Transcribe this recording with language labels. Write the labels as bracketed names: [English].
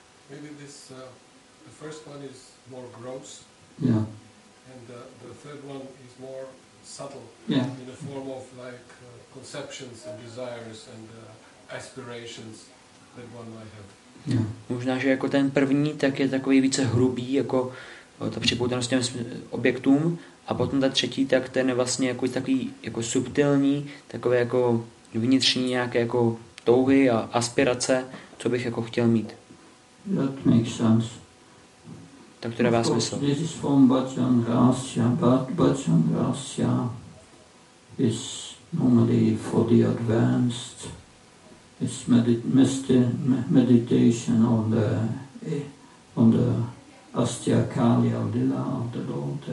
[English] Maybe this the first one is more gross. Yeah. And the third one is more subtle. Yeah. In the form of like conceptions and desires and aspirations that one might have. Yeah. [Czech] Možná že jako ten první tak je takový více hrubý jako ta připoutanost těm objektům a potom ta třetí tak ten je vlastně jako takový jako subtilní, takové jako vnitřní nějaké jako touhy a aspirace, co bych jako chtěl mít. [English] That makes sense. [Czech] Tak to dává smysl. [English] This is from Bhajan Rahasya, but Bhajan Rahasya is normally for the advanced. It's meditation on the Astyakalya Lila of the Lord.